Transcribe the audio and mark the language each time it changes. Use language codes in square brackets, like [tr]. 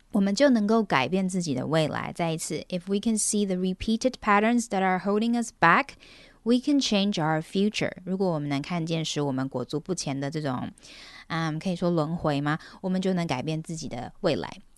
[zh] 我们就能够改变自己的未来。再一次 [en] if we can see the repeated patterns that are holding us back,We can change our future. [zh] 如果我们能看见使我们裹足不前的这种、可以说轮回吗？我们就能改变自己的未来。